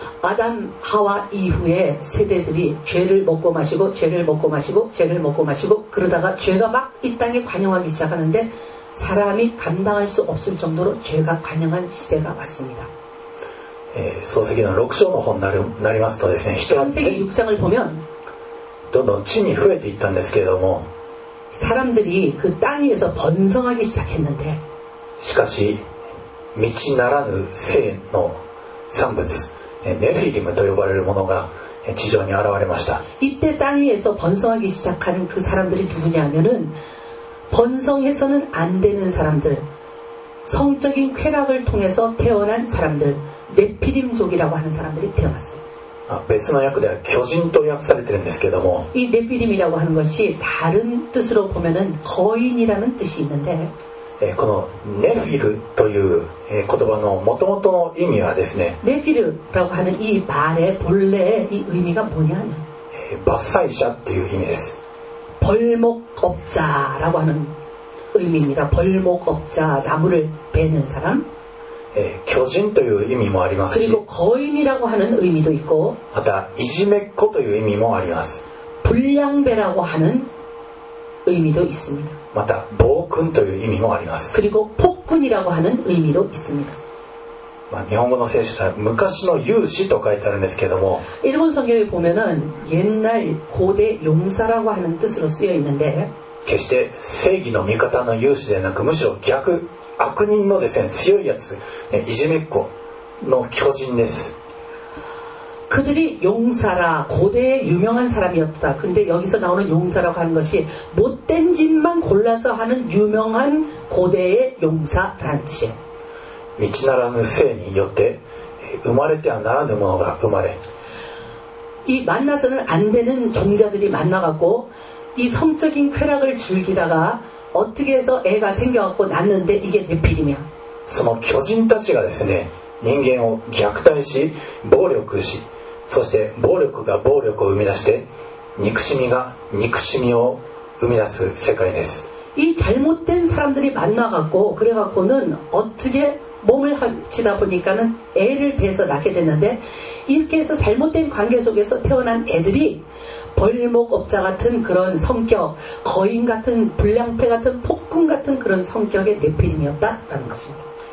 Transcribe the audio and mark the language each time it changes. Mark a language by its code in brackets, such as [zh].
[ko] 아담하와이후에세대들이죄를먹고마시고죄를먹고마시고죄를먹고마시고그러다가죄가막이땅에관영하기시작하는데사람이감당할수없을정도로죄가관영한시대가왔습니다 [ja] 創世記の6章の本になりますとですね [ko] 創世記6장을보면 [ja] どの地に増えていったんですけれども [ko] 사람들이그땅위에서번성하기시작했는데 [ja] しかし미치ならぬ生の産物ネフィリムと呼ばれるものが地上に現れました。 [ko] 이때땅위에서번성하기시작한그사람들이누구냐면은번성해서는안되는사람들성적인쾌락을통해서태어난사람들네피림족이라고하는사람들이태어났어요 [ja] 別の訳では巨人と訳されてるんですけども [ko] 이네피림이라고하는것이다른뜻으로보면은거인이라는뜻이있는데 [ja] このネフィルという言葉のもともとの意味はですねネフィルと [ko] 하는이말의본래의이의미가뭐냐면 [ja] 伐採者っていう意味です [ko] 벌목업자라고하는의미입니다벌목업자나무를베는사람 [ja] 巨人という意味もあります [ko] し그리고거인이라고하는의미도있고 [ja] またいじめっ子という意味もあります [ko] 불량배라고하는의미도있습니다 [ja] また暴君という意味もあります。 [ko] 그리고폭군이라고하는의미도있습니다 [ja] 日本語の聖書では昔の勇士と書いてあるんですけども [ko] 일본성경에보면은옛날고대용사라고하는뜻으로쓰여있는데 [ja] 決して正義の味方の勇士ではなくむしろ逆悪人のですね強いやつ、ね、いじめっ子の巨人です。 [ko] 그들이용사라고대의유명한사람이었다근데여기서나오는용사라고하는것이못된짓만골라서하는유명한고대의용사라는뜻이에요 [ja] 道ならぬ性によって生まれてはならぬものが生まれ [ko] 이만나서는안되는종자들이만나갖고 이 성적인 쾌락을 즐기다가 어떻게 해서 애가 생겨갖고 낳는데 이게 네피림이야. [ja] その巨人たちがですね人間を虐待し暴力しそして暴力が暴力を生み出して憎しみが憎しみを生み出す世界です。 [ko] 이 잘못된 사람들이 만나갖고 그래갖고는 어떻게 몸을 합치다 보니까는 애를 배에서 낳게 되는데 이렇게 해서 잘못된 관계 속에서 태어난 애들이 벌목업자 같은 그런 성격, 거인 같은 불량패 같은 폭군 같은 그런 성격의 네피림이었다라는 것입니다.